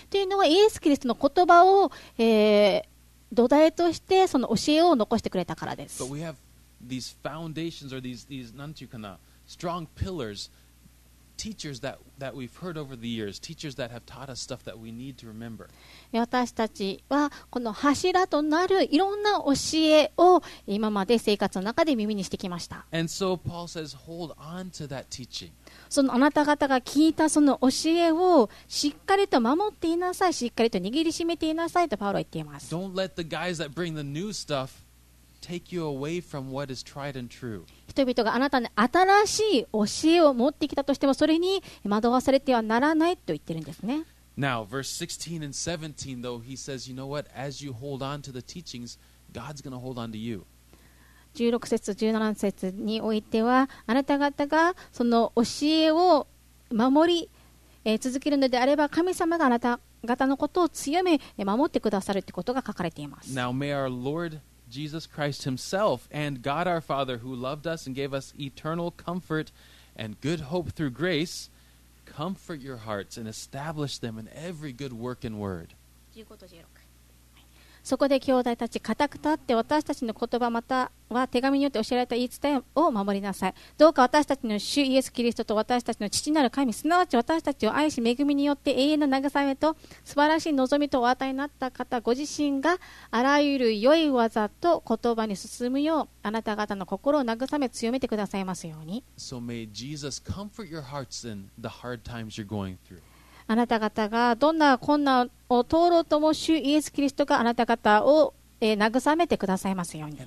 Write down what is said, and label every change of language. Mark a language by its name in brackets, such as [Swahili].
[Japanese] というのはイエス・キリストの言葉を、土台としてその教えを残してくれたからです。 [English] But we have these foundations or these [Japanese] なんていうかな [English] strong pillars, teachers that we've heard over the years, teachers that have taught us stuff that we need to remember. [Japanese] 私たちはこの柱となるいろんな教えを今まで生活の中で耳にしてきました。 [English] And so Paul says, hold on to that teaching. [Japanese] そのあなた方が聞いたその教えをしっかりと守っていなさい、しっかりと握りしめていなさいとパウロは言っています。 [English] Don't let the guys that bring the new stuff take you away from what is tried and true. [Japanese] 人々があなたに新しい教えを持ってきたとしても、それに惑わされてはならないと言ってるんですね。 [English] Now, verse 16 and 17, though, he says, you know what? As you hold on to the teachings, God's going to hold on to you. [Japanese] 16節17節においてはあなた方がその教えを守り、続けるのであれば神様があなた方のことを強め守ってくださるということが書かれています。 [English] Now may our Lord Jesus Christ himself and God our Father who loved us and gave us eternal comfort and good hope through grace comfort your hearts and establish them in every good work and word. [Japanese] 15と16そこで兄弟たち固く立って私たちの言葉または手紙によって教えられた言い伝えを守りなさい。どうか私たちの主イエス・キリストと私たちの父なる神、すなわち私たちを愛し恵みによって永遠の慰めと素晴らしい望みとお与えになった方ご自身があらゆる良い技と言葉に進むようあなた方の心を慰め強めてくださいますように。 [English] So may Jesus comfort your hearts in the hard times you're going through. [Japanese] あなた方がどんな困難を通ろうとも主イエス・キリストがあなた方を慰めてくださいますように。